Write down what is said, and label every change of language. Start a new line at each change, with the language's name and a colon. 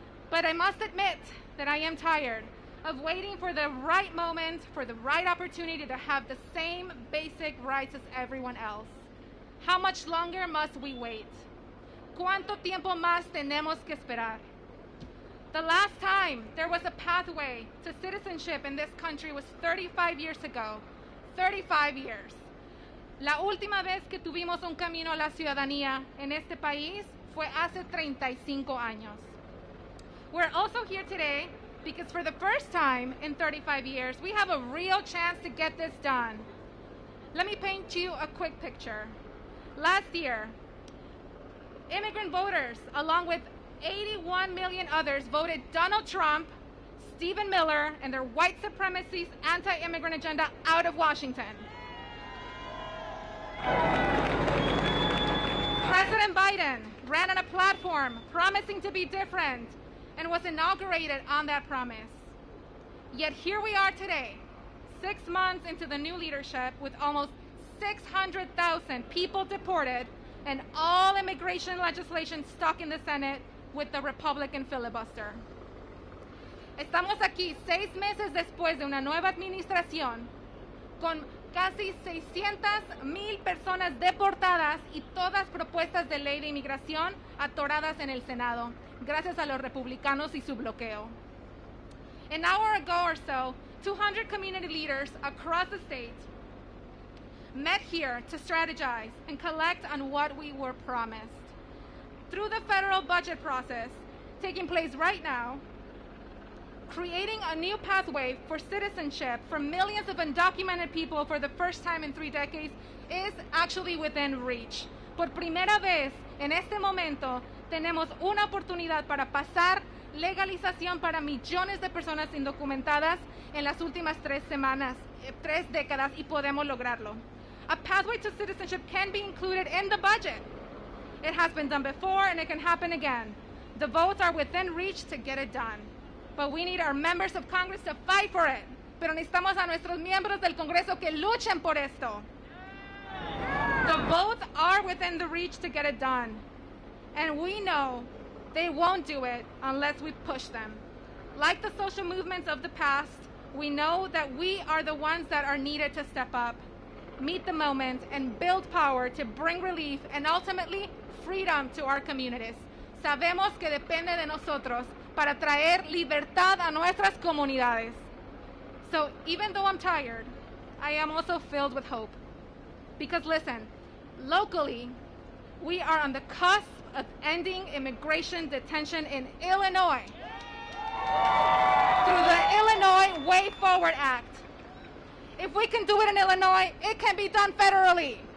English: But I must admit that I am tired of waiting for the right moment, for the right opportunity to have the same basic rights as everyone else. How much longer must we wait?
Spanish: ¿Cuánto tiempo más tenemos que esperar?
English: The last time there was a pathway to citizenship in this country was 35 years ago. 35 years.
Spanish: La última vez que tuvimos un camino a la ciudadanía en este país fue hace 35 años.
English: We're also here today because for the first time in 35 years, we have a real chance to get this done. Let me paint you a quick picture. Last year, immigrant voters, along with 81 million others, voted Donald Trump, Stephen Miller, and their white supremacist anti-immigrant agenda out of Washington. President Biden ran on a platform promising to be different and was inaugurated on that promise. Yet here we are today, 6 months into the new leadership, with almost 600,000 people deported and all immigration legislation stuck in the Senate with the Republican filibuster.
Spanish: Estamos aquí 6 meses después de una nueva administración con casi 600,000 personas deportadas y todas propuestas de ley de inmigración atoradas en el Senado, gracias a los republicanos y su bloqueo.
English: An hour ago or so, 200 community leaders across the state met here to strategize and collect on what we were promised. Through the federal budget process taking place right now, creating a new pathway for citizenship for millions of undocumented people for the first time in 3 decades is actually within reach.
Spanish: Por primera vez en este momento tenemos una oportunidad para pasar legalización para millones de personas indocumentadas en las últimas 3 décadas y podemos lograrlo.
English: A pathway to citizenship can be included in the budget. It has been done before and it can happen again. The votes are within reach to get it done. But we need our members of Congress to fight for it.
Spanish: Pero necesitamos a nuestros miembros del Congreso que luchen por esto.
English: The votes are within the reach to get it done. And we know they won't do it unless we push them. Like the social movements of the past, we know that we are the ones that are needed to step up, meet the moment, and build power to bring relief and ultimately freedom to our communities.
Spanish: Sabemos que depende de nosotros para traer libertad a nuestras comunidades.
English: So even though I'm tired, I am also filled with hope. Because listen, locally, we are on the cusp of ending immigration detention in Illinois. Through the Illinois Way Forward Act. If we can do it in Illinois, it can be done federally.